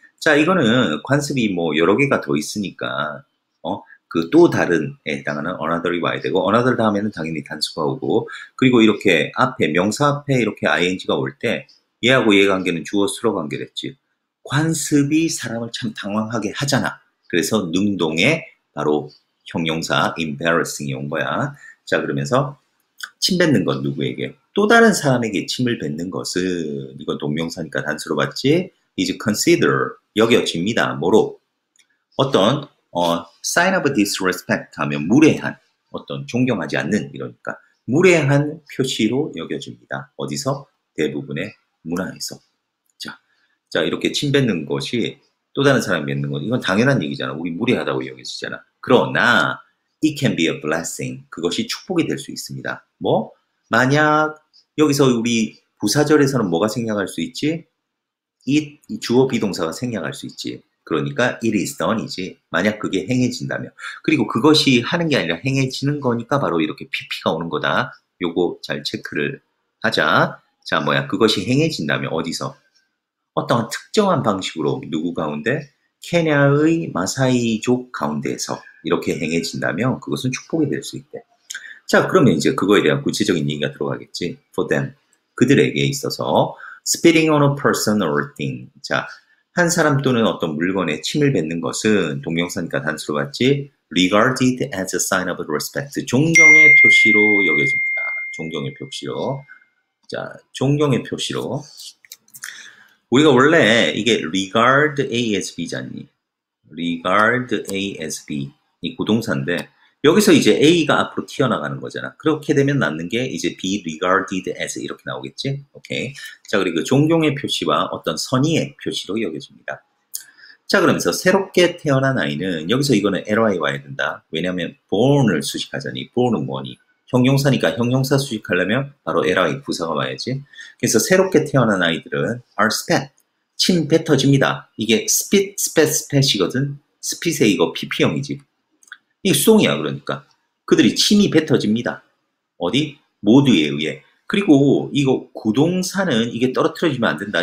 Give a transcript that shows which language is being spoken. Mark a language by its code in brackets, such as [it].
[ko] 자, 이거는 관습이 뭐 여러 개가 더 있으니까, 그또 다른에 해당하는 another이 와야 되고, another 다음에는 당연히 단수가 오고, 그리고 이렇게 앞에, 명사 앞에 이렇게 ing가 올 때, 얘하고 얘 관계는 주어, 수로 관계랬지. 관습이 사람을 참 당황하게 하잖아. 그래서 능동에 바로 형용사 embarrassing이 온 거야. 자, 그러면서 침 뱉는 건 누구에게? 또 다른 사람에게 침을 뱉는 것은, 이건 동명사니까 단수로 봤지? [en] is consider, [ko] 여겨집니다. 뭐로? 어떤, [en] sign of disrespect [ko] 하면 무례한, 어떤 존경하지 않는, 이러니까. 무례한 표시로 여겨집니다. 어디서? 대부분의 문화에서. 자, 이렇게 침 뱉는 것이 또 다른 사람이 뱉는 것, 이건 당연한 얘기잖아. 우리 무례하다고 여겨지잖아. 그러나, [en] It can be a blessing. [ko] 그것이 축복이 될수 있습니다. 뭐? 만약 여기서 우리 부사절에서는 뭐가 생략할 수 있지? It, 주어 비동사가 생략할 수 있지. 그러니까 it is done이지. 만약 그게 행해진다면. 그리고 그것이 하는 게 아니라 행해지는 거니까 바로 이렇게 PP가 오는 거다. 요거 잘 체크를 하자. 자, 뭐야? 그것이 행해진다면 어디서? 어떤 특정한 방식으로 누구 가운데? 케냐의 마사이족 가운데에서 이렇게 행해진다면 그것은 축복이 될수 있대. 자, 그러면 이제 그거에 대한 구체적인 얘기가 들어가겠지. [en] For them. [ko] 그들에게 있어서. [en] Spitting on a person or thing. [ko] 자, 한 사람 또는 어떤 물건에 침을 뱉는 것은 동명사니까 단수로 봤지. [en] Regarded as a sign of respect. [ko] 존경의 표시로 여겨집니다. 존경의 표시로. 자, 존경의 표시로. 우리가 원래 이게 [en] regard ASB [ko] 잖니. regard ASB. 이 구동사인데, 여기서 이제 A가 앞으로 튀어나가는 거잖아. 그렇게 되면 남는 게 이제 be regarded as 이렇게 나오겠지? 오케이. 자, 그리고 존경의 표시와 어떤 선의의 표시로 여겨집니다. 자, 그러면서 새롭게 태어난 아이는, 여기서 이거는 ly 와야 된다. 왜냐면 born을 수식하잖니. born은 뭐니? 형용사니까 형용사 수식하려면 바로 ly 부사가 와야지. 그래서 새롭게 태어난 아이들은 [en] are spat. [ko] 침 뱉어집니다. 이게 [en] spit, spat, spat [ko] 이거든. spit의 이거 pp형이지. 이게 수동이야, 그러니까. 그들이 침이 뱉어집니다. 어디? 모두에 의해. 그리고 이거 구동사는 이게 떨어뜨려지면 안 된다.